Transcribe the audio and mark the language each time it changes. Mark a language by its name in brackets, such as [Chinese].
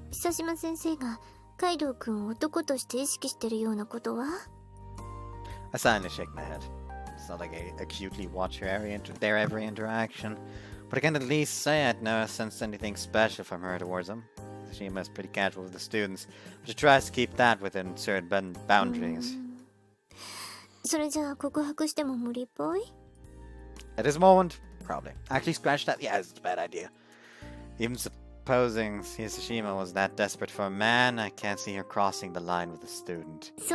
[Japanese] 久島先生がカイドウ君を男として意識してるようなことは? [English] I sign to shake my head. It's not like I acutely watch their every interaction. But I can at least say I'd never sense anything special from her towards him. She is pretty casual with the students. But she tries to keep that within certain boundaries. [Japanese] それじゃあ告白しても無理っぽい? [English] At this moment, probably. Actually, scratch that. Yeah, it's a bad idea. Even supposing Tsushima was that desperate for a man, I can't see her crossing the line with a student.